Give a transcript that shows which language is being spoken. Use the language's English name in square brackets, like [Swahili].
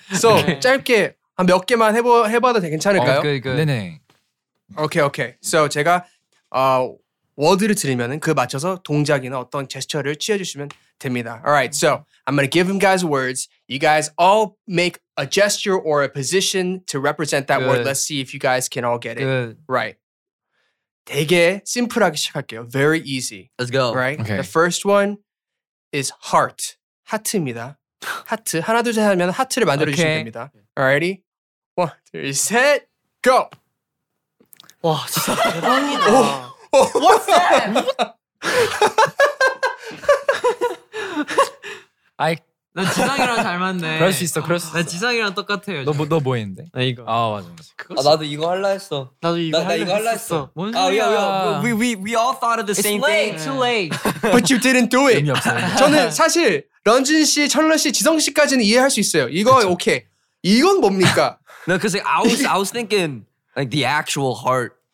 [Korean] So, 짧게 한 몇 개만 해봐도 괜찮을까요? 네네. 오케이. So, 제가 워드를 드리면은 그 맞춰서 동작이나 어떤 제스처를 취해주시면 됩니다. [English] Alright, so I'm gonna give them guys words. You guys all make a gesture or a position to represent that word. Let's see if you guys can all get it. Right. [Korean] 되게 심플하게 시작할게요. [English] Very easy. Let's go. Right? Okay. The first one is heart. [Korean] 하트입니다. 하트. 하나, 둘, 셋 하면 하트를 만들어주시면 okay. 됩니다. [English] Alrighty. 1, 2, 3, go! [Korean] 와, 진짜 대박이다. [English] What's that? [Korean] 나 지상이랑 잘 맞네. 그럴 수 있어, 그럴 수 있어. 나 지상이랑 똑같아요. 너 보이는데? 나 이거. 아 맞아. 아 나도 이거 할라 했어. 나도 이거 할라 했어. 뭔 소리야? [English] We all thought of the same thing. It's late, too late. But you didn't do it. [Korean] 의미 없어요. 저는 사실 런쥔 씨, 철러 씨, 지성 씨까지는 이해할 수 있어요. 이거 오케이. 이건 뭡니까? [English] No, because I was thinking like the actual heart.